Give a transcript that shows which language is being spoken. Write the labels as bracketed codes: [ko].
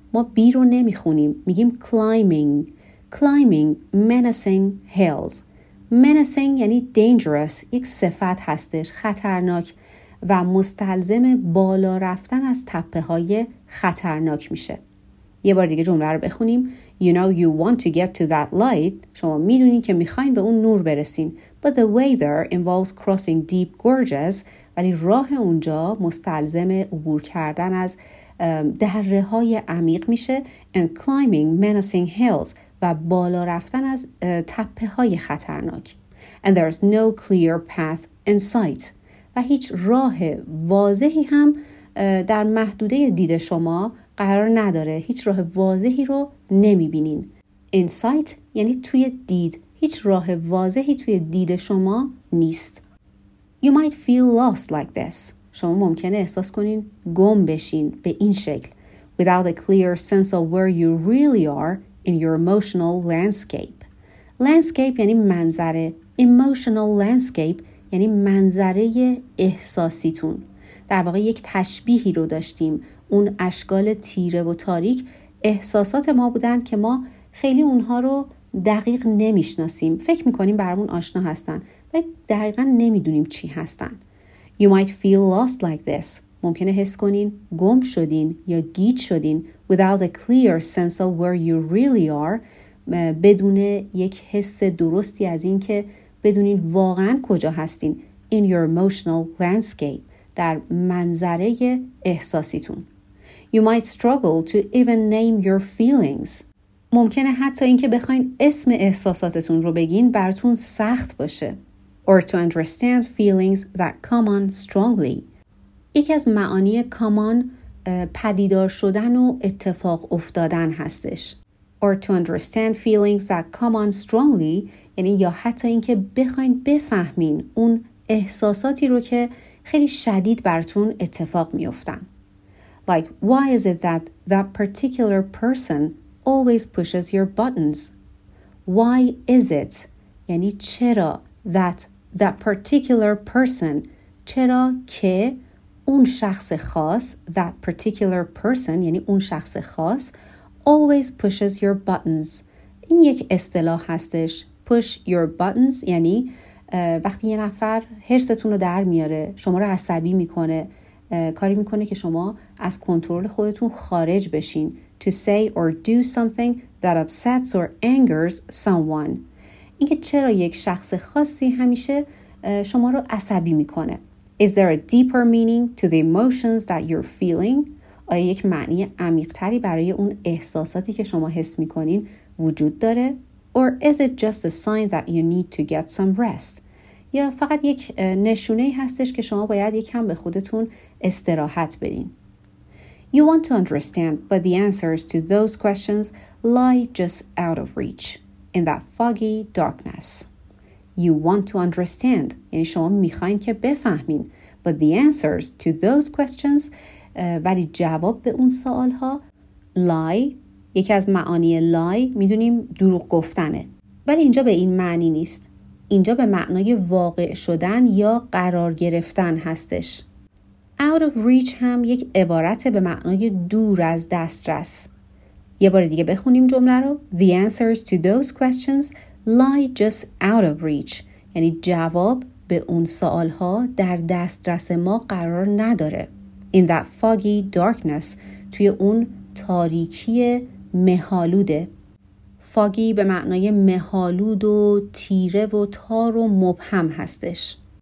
[fa] ما بی رو نمیخونیم. میگیم [en] climbing. Climbing menacing hills. [fa] Menacing یعنی dangerous. یک صفت هستش. خطرناک و مستلزم بالا رفتن از تپه های خطرناک میشه. یه بار دیگه جمله رو بخونیم. [en] You know you want to get to that light. [fa] شما میدونین که میخواین به اون نور برسین. [en] But the way there involves crossing deep gorges. [fa] ولی راه اونجا مستلزم عبور کردن از دره های عمیق میشه. [en] And climbing menacing hills. [fa] و بالا رفتن از تپه های خطرناک. [en] And there's no clear path in sight. [fa] و هیچ راه واضحی هم در محدوده دید شما قرار نداره. هیچ راه واضحی رو نمیبینین. Insight یعنی توی دید. هیچ راه واضحی توی دید شما نیست. [en] You might feel lost like this. [fa] شما ممکنه احساس کنین گم بشین به این شکل. [en] Without a clear sense of where you really are in your emotional landscape. [fa] Landscape یعنی منظره. Emotional landscape یعنی منظره احساسیتون. در واقع یک تشبیهی رو داشتیم. اون اشکال تیره و تاریک احساسات ما بودن که ما خیلی اونها رو دقیق نمیشناسیم، فکر میکنیم برامون آشنا هستن ولی دقیقا نمیدونیم چی هستن. [en] You might feel lost like this. [fa] ممکنه حس کنین گم شدین یا گیج شدین [en] without a clear sense of where you really are، [fa] بدون یک حس درستی از این که بدونین واقعا کجا هستین. [en] In your emotional landscape، [fa] در منظره احساسیتون. [en] You might struggle to even name your feelings. [fa] ممکنه حتی اینکه بخواین اسم احساساتتون رو بگین براتون سخت باشه. [en] Or to understand feelings that come on strongly. [fa] یکی از معانی come on پدیدار شدن و اتفاق افتادن هستش. [en] Or to understand feelings that come on strongly، [fa] یعنی یا حتی اینکه بخواین بفهمین اون احساساتی رو که خیلی شدید براتون اتفاق میافتن. [en] Like why is it that that particular person always pushes your buttons? Why is it؟ [fa] یعنی چرا [en] that particular person، [fa] چرا که اون شخص خاص، [en] that particular person [fa] یعنی اون شخص خاص، [en] always pushes your buttons. [fa] این یک اصطلاح هستش. Push your buttons یعنی وقتی یه نفر حرستون رو در میاره، شما رو عصبی میکنه، کاری میکنه که شما از کنترل خودتون خارج بشین. [en] To say or do something that upsets or angers someone. [fa] اینکه چرا یک شخص خاصی همیشه شما رو عصبی میکنه. [en] Is there a deeper meaning to the emotions that you're feeling؟ [fa] آیا یک معنی عمیق‌تری برای اون احساساتی که شما حس میکنین وجود داره؟ [en] Or is it just a sign that you need to get some rest؟ [fa] یا فقط یک نشونه هستش که شما باید یکم به خودتون استراحت بدین. [en] You want to understand, but the answers to those questions lie just out of reach in that foggy darkness. You want to understand, [fa] یعنی شما میخواین که بفهمین, [en] but the answers to those questions, [fa] ولی جواب به اون سوالها [en] lie. [fa] یکی از معانی lie میدونیم دروغ گفتنه. ولی اینجا به این معنی نیست. اینجا به معنای واقع شدن یا قرار گرفتن هستش. Out of reach هم یک عبارت به معنای دور از دسترس. یه بار دیگه بخونیم جمله رو. [en] The answers to those questions lie just out of reach. [fa] یعنی جواب به اون سوالها در دسترس ما قرار نداره. [en] In that foggy darkness، [fa] توی اون تاریکی مهالوده. فاگی به معنای مهالود و تیره و تار و مبهم هستش.